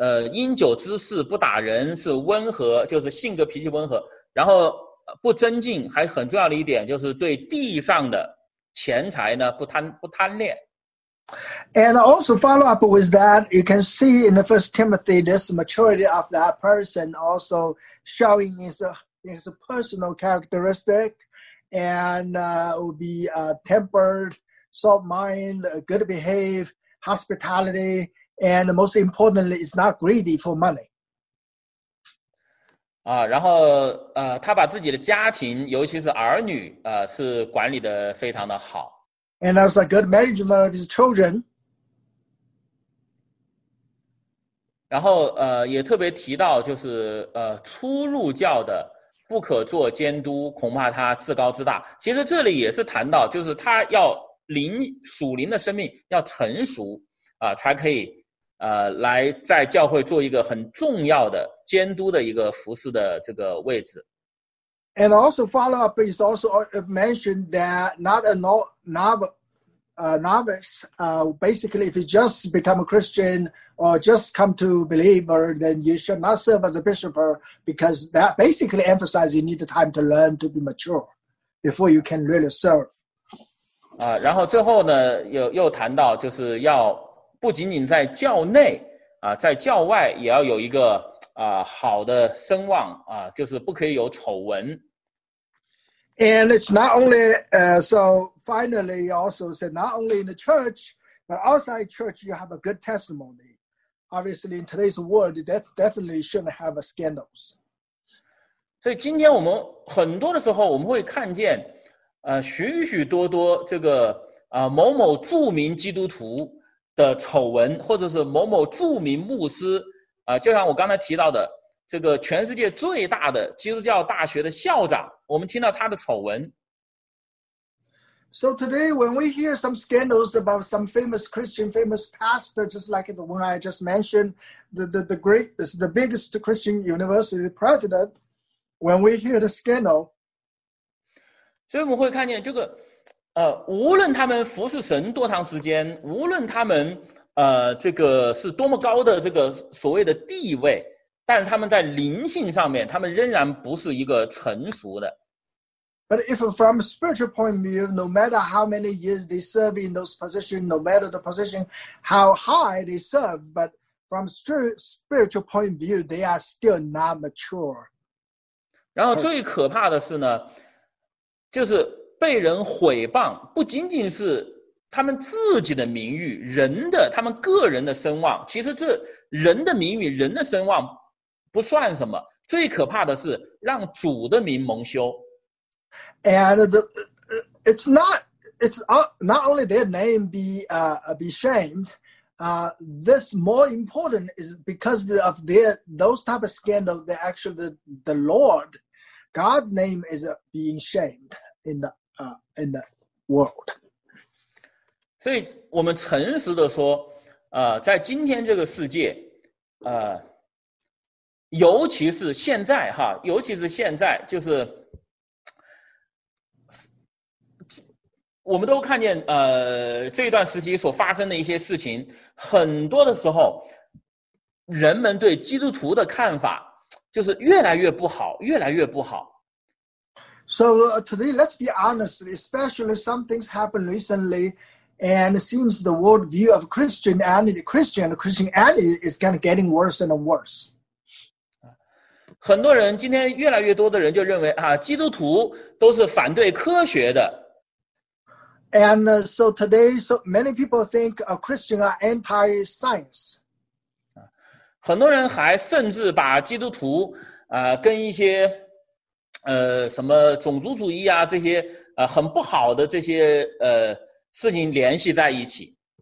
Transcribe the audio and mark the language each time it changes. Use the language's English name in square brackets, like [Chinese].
[Chinese] 饮酒之事不打人，是温和，就是性格脾气温和，然后不增进，还很重要的一点就是对地上的钱财呢不贪恋。 [English] And also follow up with that, you can see in the First Timothy this maturity of that person also showing his personal characteristic and will be a tempered, soft mind, good behave, hospitality. And most importantly, it's not greedy for money. [Chinese] 然后他把自己的家庭，尤其是儿女，是管理的非常的好。 [English] And that's a good management of his children. [Chinese] 然后也特别提到，就是初入教的不可做监督，恐怕他自高自大。其实这里也是谈到，就是他要属灵的生命要成熟才可以。来在教会做一个很重要的监督的一个服事的这个位置。 [English] And also follow up is also mentioned that not a novice, basically if you just become a Christian or just come to believer, then you should not serve as a bishop because that basically emphasizes you need the time to learn to be mature before you can really serve. [Chinese] 然后最后呢又谈到就是要不仅仅在教内在教外也要有一个好的声望就是不可以有丑闻。 [English] And it's not only, so finally, you also said not only in the church, but outside church, you have a good testimony. Obviously, in today's world, that definitely shouldn't have scandals. [Chinese] 所以今天我们很多的时候我们会看见许许多多这个某某著名基督徒的丑闻，或者是某某著名牧师就像我刚才提到的，这个全世界最大的基督教大学的校长，我们听到他的丑闻。 [English] So today, when we hear some scandals about some famous Christian, famous pastor, just like the one I just mentioned, the biggest Christian university president, when we hear the scandal, [Chinese] 所以我们会看见这个。无论他们服侍神多长时间，无论他们这个是多么高的这个所谓的地位，但他们在灵性上面，他们仍然不是一个成熟的。 [English] But if from a spiritual point of view, no matter how many years they serve in those positions, no matter the position, how high they serve, but from spiritual point of view, they are still not mature. [Chinese] 然后最可怕的是呢，就是。被人毁谤不仅仅是他们自己的名誉，人的他们个人的声望，其实这人的名誉人的声望不算什么，最可怕的是让主的名蒙羞。 [English] And it's not only their name be shamed, this more important is because of their those type of scandal that actually the Lord God's name is being shamed in the world. [Chinese] 所以我们诚实的说，在今天这个世界，尤其是现在哈，尤其是现在，就是我们都看见，这一段时期所发生的一些事情，很多的时候，人们对基督徒的看法就是越来越不好，越来越不好。 [English] So today, let's be honest. Especially some things happened recently, and it seems the world view of Christianity is kind of getting worse and worse. [Chinese] 很多人今天越来越多的人就认为啊，基督徒都是反对科学的。 [English] And so today, so many people think Christians are anti-science. [Chinese] 很多人还甚至把基督徒跟一些什么种族主义啊这些很不好的这些事情联系在一起。